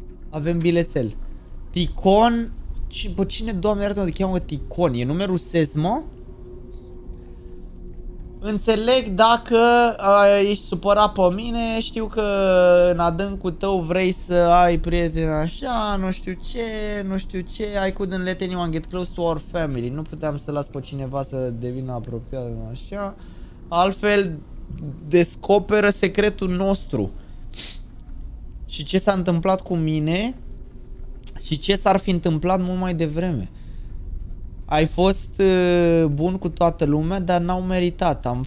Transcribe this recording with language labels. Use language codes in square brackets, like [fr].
[ro] Avem bilețel. Ticon. Bă, cine, doamne, arată-mă, te cheamă Ticon? E numerul SES, mă? Înțeleg dacă ești supărat pe mine. Știu că în adâncul tău vrei să ai prieteni așa. Nu știu ce, nu știu ce. [en] I couldn't let anyone get close to our family. [ro] Nu puteam să las pe cineva să devină apropiat așa. Altfel, descoperă secretul nostru. Și ce s-a întâmplat cu mine? Și ce s-ar fi întâmplat mult mai devreme? Ai fost bun cu toată lumea, dar n-au meritat.